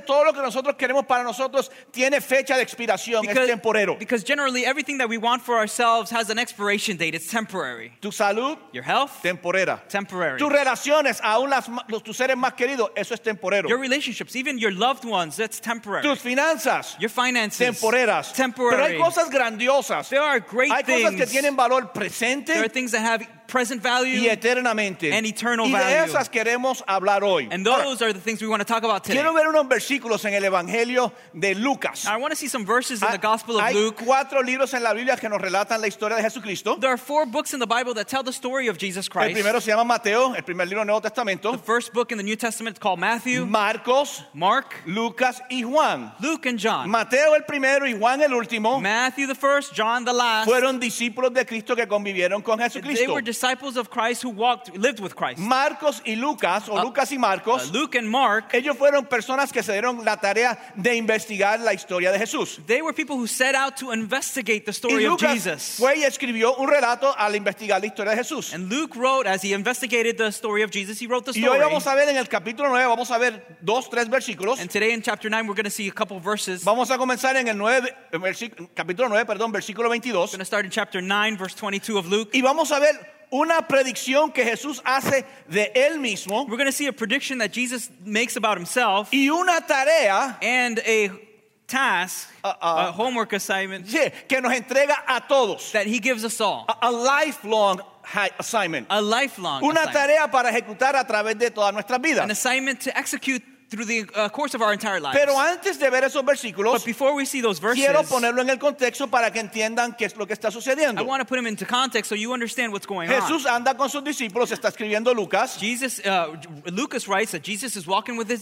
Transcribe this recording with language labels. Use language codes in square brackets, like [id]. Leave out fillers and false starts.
[es] Todo lo que nosotros queremos para nosotros tiene fecha de expiración, [en] because, [es] es temporero. [en] Because generally everything that we want for ourselves has an expiration date. It's temporary. [es] Tu salud, [en] your health, [es] temporera. [en] Temporary. [es] Tus relaciones, aún los tus seres más queridos, eso es temporero. [en] Your relationships, even your loved ones, that's temporary. [es] Tus finanzas, [en] your finances, [es] temporeras. [en] Temporary. [es] Pero hay cosas grandiosas. [en] There are great [es] hay [en] things. [es] Cosas que tienen valor presente. [en] There are things that have present value [es] y eternamente. [en] And eternal [es] y de [en] value. [es] Esas queremos hablar hoy. [en] And those [es] ahora, [en] are the things we want to talk about today. [es] Quiero ver unos versículos en el Evangelio de Lucas. [en] Now, I want to see some verses in the Gospel of [es] hay [en] Luke. [es] Cuatro libros en la Biblia que nos relatan la historia de Jesucristo. [en] There are four books in the Bible that tell the story of Jesus Christ. [es] El primero se llama Mateo, el primer libro del Nuevo Testamento. [en] The first book in the New Testament is called Matthew. [es] Marcos, [en] Mark, [es] Lucas y Juan. [en] Luke and John. [es] Mateo el primero y Juan el último. [en] Matthew the first, John the last. [es] Fueron discípulos de Cristo que convivieron con Jesucristo. [en] They were disciples of Christ who walked, lived with Christ. [es] Marcos y Lucas, o Lucas y Marcos. [en] Luke and Mark. [es] Ellos fueron personas que se dieron la tarea de investigar la historia de Jesús. [en] They were people who set out to investigate the story of Jesus. [es] Y Lucas fue y escribió un relato al investigar la historia de Jesús. [en] And Luke wrote, as he investigated the story of Jesus, he wrote the story. [es] Y hoy vamos a ver en el capítulo 9, vamos a ver dos, tres versículos. [en] And today in chapter 9, we're going to see a couple verses. [es] Vamos a comenzar en el 9, capítulo 9, perdón, versículo 22. [en] We're going to start in chapter 9, verse 22 of Luke. [es] Y vamos a ver una predicción que Jesús hace de él mismo. [en] We're going to see a prediction that Jesus makes about himself. [es] Y una tarea. [en] And a task. A homework assignment. [es] Sí, que nos entrega a todos. [en] That he gives us all. A lifelong assignment. A lifelong [es] una [en] assignment. [es] Tarea para ejecutar a través de toda nuestra vida. [en] An assignment to execute through the course of our entire lives. [es] Pero antes de ver esos versículos, [en] but before we see those verses, [es] quiero ponerlo en el contexto para que entiendan qué es lo que está sucediendo. [en] I want to put them into context so you understand what's going [es] Jesús Jesús anda con sus discípulos, está escribiendo Lucas. [en] Jesus, Lucas writes that Jesus is walking with his